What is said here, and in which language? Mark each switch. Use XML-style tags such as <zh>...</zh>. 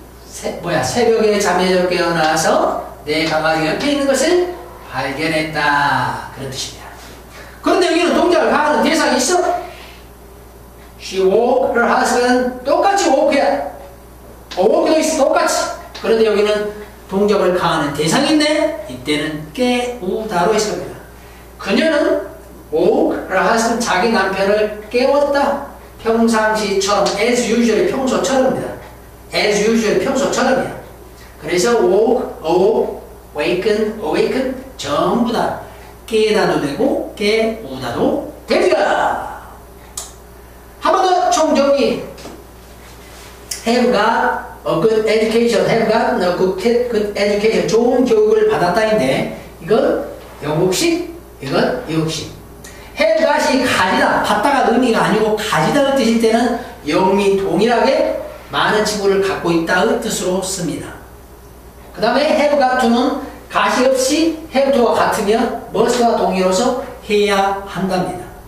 <ko>새벽에 잠에서 깨어나서 내 강아지가 옆에 있는 것을 발견했다. 그런 뜻입니다. 그런데 여기는 동작을 가하는 대상이 있어.</ko> <en>She woke her husband.</en> <ko>똑같이 woke야. woke도 있어. 똑같이. 그런데 여기는 동작을 가하는 대상인데 이때는 깨우다로 했습니다. 그녀는</ko> <en>woke her husband.</en> <ko>자기 남편을 깨웠다. 평상시처럼</ko> <en>as usual</en> <ko>평소처럼입니다.</ko> <en>As usual,</en> <ko>평소처럼이야. 그래서 woke, awoke, waken, awaken 전부 다 깨다도 되고 깨우다도 됩니다. 한 번 더 총정리.</ko> <en>Have got a good education. Have got a good education.</en> <ko>좋은 교육을 받았다인데 이건 영국식, 이건 미국식. Have got이 가지다, 받다가 의미가 아니고 가지다는 뜻일 때는 영미 동일하게 많은 친구를 갖고 있다의 뜻으로 씁니다. 그 다음에 have got to는 got이 없이 have to와 같으면 must와 동의로서 해야 한답니다.</ko>